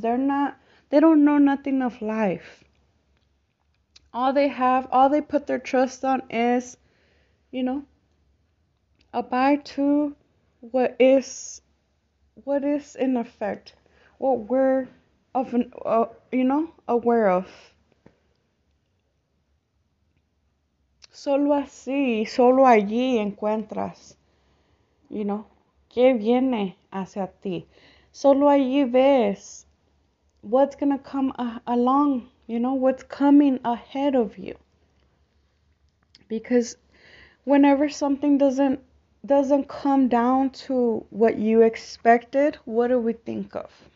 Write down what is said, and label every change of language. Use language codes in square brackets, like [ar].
[en] They don't know nothing of life. All they put their trust on is, abide to what is in effect, what we're aware of. [es] Solo así, solo allí encuentras, qué viene hacia ti. Solo allí ves [en] what's going to come along, you know, what's coming ahead of you. Because whenever something doesn't come down to what you expected, what do we think of?